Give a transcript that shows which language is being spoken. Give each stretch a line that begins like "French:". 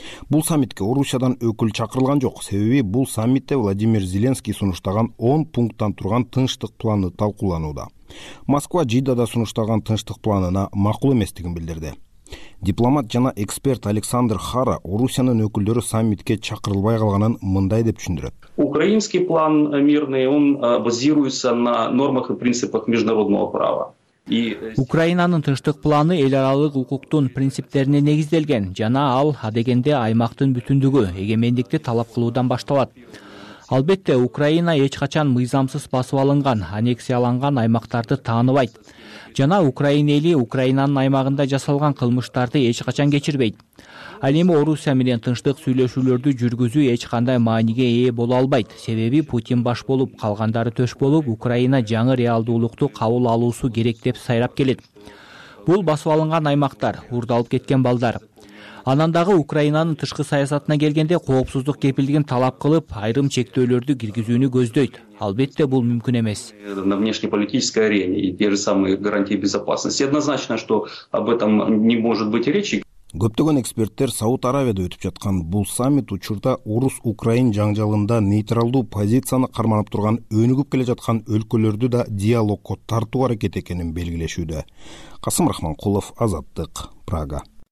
Kyrgyz: Бул саммитке Орусиядан өкүл чакырылган жок, себеби бул саммитте Владимир Зеленский сунуштаган 10 пункттан турган тынчтык планы талкууланууда. Москва Жиддада сунуштаган тынчтык планына макул эместигин билдирди. Дипломат жана эксперт Александр Хара Орусиянын өкүлдөрү саммитке чакырылбай калганын мындай деп түшүндүрөт.
Russian: Украинский план мирный, он базируется на нормах и принципах международного права.
Kyrgyz: Украинанын тынчтык планы эл аралык укуктун принциптерине негизделген жана ал адегенде аймактын бүтүндүгү, эгемендикти талап кылуудан башталат. Албетте, Украина эч качан мыйзамсыз басып алынган, аннексияланган аймактарды тааныбайт. Жана Украина эли Украинанын аймагында жасалган кылмыштарды эч качан кечирбейт. Ал эми Орусия менен тынчтык сүйлөшүүлөрдү жүргүзүү эч кандай мааниге ээ боло албайт. Себеби Путин баш болуп, калгандары төш болуп, Украина жаңы реалдуулукту кабыл алуусу керек деп сайрап келет. Бул басып алынган аймактар, уурдалып кеткен балдар. Анан дагы Украинанын тышкы саясатына келгенде коопсуздук кепилдигин талап кылып, айрым чектөөлөрдү киргизүүнү көздөйт. Албетте, бул мүмкүн эмес.
Russian: На внешнеполитической арене и те же самые гарантии безопасности. Однозначно, что об этом не может быть речи.
Kyrgyz: Көптөгөн эксперттер Сауд Арабияда өтүп жаткан бул саммит учурда Орус-Украин жаңжалында нейтралдуу позицияны карманып турган өнүгүп келе жаткан өлкөлөрдү да диалогко тартуу аракет экенин белгилешүүдө. Касым Рахманкулов, Азаттык, Прага.